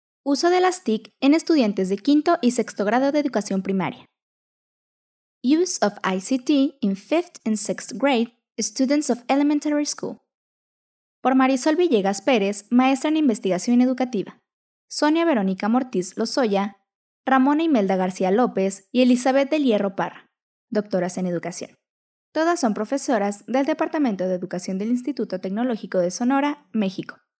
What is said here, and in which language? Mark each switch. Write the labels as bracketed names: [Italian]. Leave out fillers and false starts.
[Spanish] Uso de las TIC en estudiantes de quinto y sexto grado de educación primaria. [English] Use of ICT in fifth and sixth grade, students of elementary school. [Spanish] Por Marisol Villegas Pérez, maestra en investigación educativa. Sonia Verónica Mortiz Lozoya, Ramona Imelda García López y Elizabeth del Hierro Parra, doctoras en educación. Todas son profesoras del Departamento de Educación del Instituto Tecnológico de Sonora, México.